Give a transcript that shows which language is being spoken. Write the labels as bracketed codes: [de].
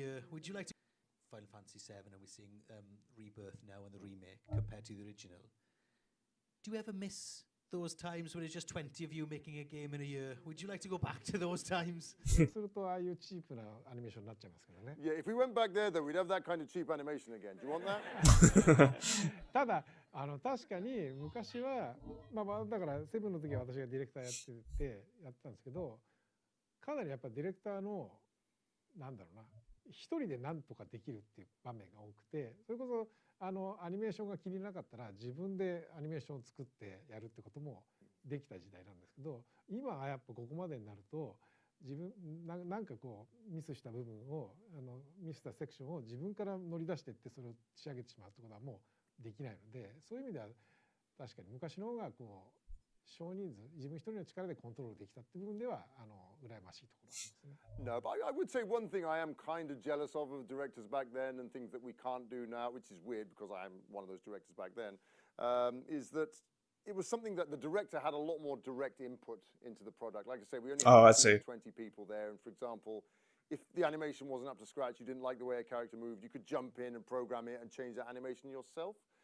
[en] Would you like to Final Fantasy VII, and we're seeing Rebirth now and the remake compared to the original? Do you ever miss those times when it's just 20 of you making a game in a year? Would you like to go back to those times? Yeah, if we went back there, though, we'd have that kind of cheap animation again. Do you want that? [ja] ただ、あの、確かに昔は、まあ、だから、セブンの時は私がディレクターやっててやったんですけど、かなりやっぱディレクターの、なんだろうな、一人で何とかできるっていう場面が多くて、それこそあのアニメーションが気に入らなかったら自分でアニメーションを作ってやるってこともできた時代なんですけど、今はやっぱここまでになると自分なんかこうミスした部分をあのミスしたセクションを自分から乗り出していってそれを仕上げてしまうってことはもうできないので、そういう意味では確かに昔の方がこう少人数自分一人の力でコントロールできたっていう部分ではあの羨ましいところなんですね。 [en] No, but I would say one thing I am kind of jealous of directors back then and things that we can't do now, which is weird because I'm one of those directors back then, is that it was something that the director had a lot more direct input into the product. Like I say, we only had 20 people there, and for example, if the animation wasn't up to scratch, you didn't like the way a character moved, you could jump in and program it and change that animation yourself.